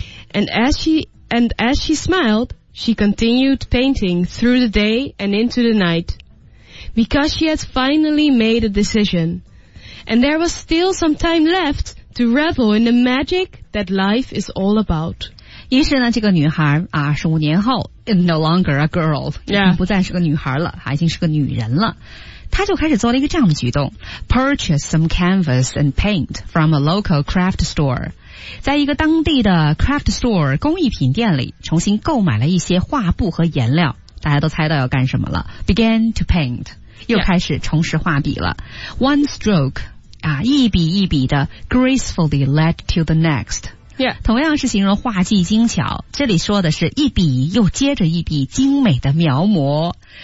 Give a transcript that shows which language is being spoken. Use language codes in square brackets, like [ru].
[en] And as she smiled, she continued painting through the day and into the night. because she had finally made a decision. And there was still some time left to revel in the magic that life is all about. [zh] 于是呢，这个女孩啊，十五年后 ， [en] no longer a girl， [zh] 不再是个女孩了，已经是个女人了。她就开始做了一个这样的举动 ， [en] purchase some canvas and paint from a local craft store， [zh] 在一个当地的 craft store 工艺品店里，重新购买了一些画布和颜料。大家都猜到要干什么了 ， [en] began to paint， [zh] 又开始重拾画笔了。 [en] One stroke， [zh] 啊，一笔一笔的 [en] gracefully led to the next。 Yeah. [zh] 同样是形容画技精巧，这里说的是一笔又接着一笔精美的描摹。